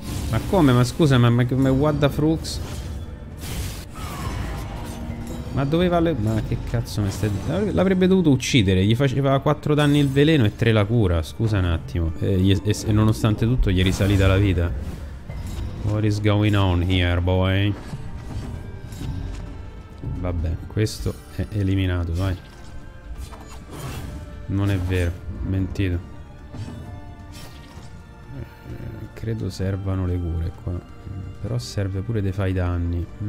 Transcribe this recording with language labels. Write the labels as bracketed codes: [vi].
[it] Ma come? Ma scusa, ma [en] what the frux? [it] Ma doveva le... Ma che cazzo mi stai... L'avrebbe dovuto uccidere. Gli faceva 4 danni il veleno e 3 la cura. Scusa un attimo. E nonostante tutto gli è risalita la vita. [en] What is going on here, boy? [it] Vabbè, questo è eliminato, vai. Non è vero. Mentito. Credo servano le cure qua. Però serve pure dei fai danni.